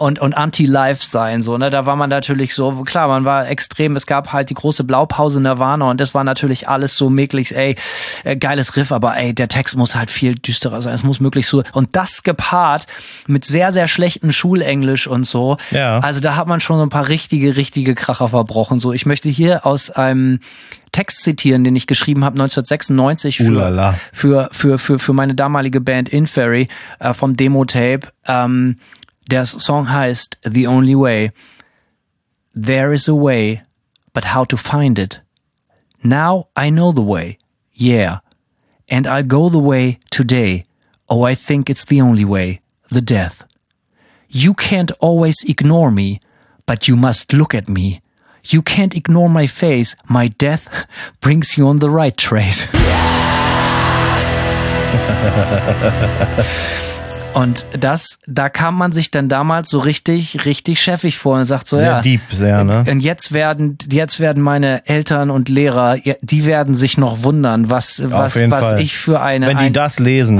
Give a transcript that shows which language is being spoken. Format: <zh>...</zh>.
<de>Und anti-life sein, so, ne, da war man natürlich so, klar, man war extrem, es gab halt die große Blaupause Nirvana und das war natürlich alles so möglichst, ey, geiles Riff, aber ey, der Text muss halt viel düsterer sein, es muss möglichst so, und das gepaart mit sehr, sehr schlechtem Schulenglisch und so, also da hat man schon so ein paar richtige Kracher verbrochen. So, ich möchte hier aus einem Text zitieren, den ich geschrieben habe 1996 für meine damalige Band Inferi vom Demo-Tape. Der Song heißt The Only Way.</de> <en>There is a way, but how to find it? Now I know the way, yeah. And I'll go the way today. Oh, I think it's the only way, the death. You can't always ignore me, but you must look at me. You can't ignore my face. My death brings you on the right trace.</en> <de>Und das, da kam man sich dann damals so richtig, richtig chefig vor und sagt so, sehr ja. Sehr deep, sehr, ne? Und jetzt werden meine Eltern und Lehrer, die werden sich noch wundern, was ich für eine, wenn die das lesen,</de>